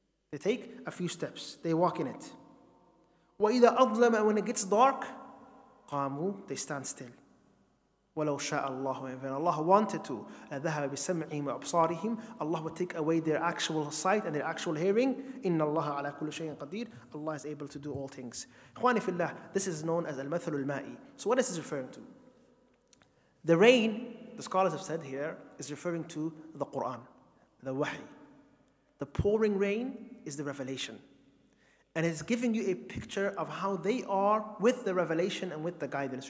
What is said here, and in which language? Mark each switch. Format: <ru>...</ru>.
<en>They take a few steps. They walk in it.</en> <ar>وَإِذَا أَظْلَمَ,</ar> <en>when it gets dark,</en> <ar>قَامُوا,</ar> <en>they stand still.</en> <ar>وَلَوْ شَاءَ اللَّهُ,</ar> <en>and when Allah wanted to,</en> <ar>ذَهَبَ بِسَمْعِهِمْ وَأَبْصَارِهِمْ,</ar> <en>Allah would take away their actual sight and their actual hearing.</en> <ar>إِنَّ اللَّهَ عَلَى كُلُّ شَيْءٍ قَدِيرٌ,</ar> <en>Allah is able to do all things.</en> <ar>إخواني في الله,</ar> <en>this is known as</en> <ar>المثل المائي.</ar> <en>So what is this referring to? The rain, the scholars have said here, is referring to the Quran, the wahi. The pouring rain is the revelation. And it's giving you a picture of how they are with the revelation and with the guidance.</en>